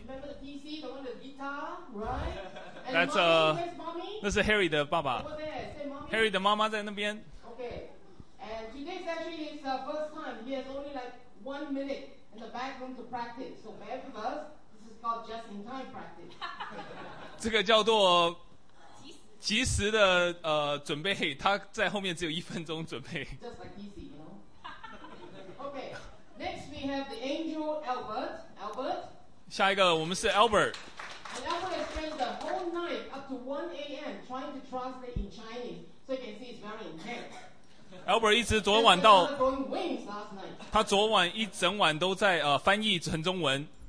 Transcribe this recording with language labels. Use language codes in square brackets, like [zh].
[en] Remember the PC, the one with the guitar, right? That's mommy, where's mommy? [zh] 那是 Harry 的爸爸。 [en] Over there, say mommy. [zh] Harry 的妈妈在那边。 [en] Okay, and today's actually his first time. He has only like 1 minute in the back room to practice. So bear with us, this is called just in time practice. [zh] 这个叫做及时的准备，他在后面只有一分钟准备。 [en] Just like easy, you know. Okay, next we have the angel Albert. Albert. [zh] 下一个我们是 Albert. [en] And Albert has spent the whole night up to 1 a.m. trying to translate in Chinese, so you can see it's very intense. [zh] Albert 一直昨晚到。 [en] He was throwing wings last night. [zh] 他昨晚一整晚都在翻译成中文。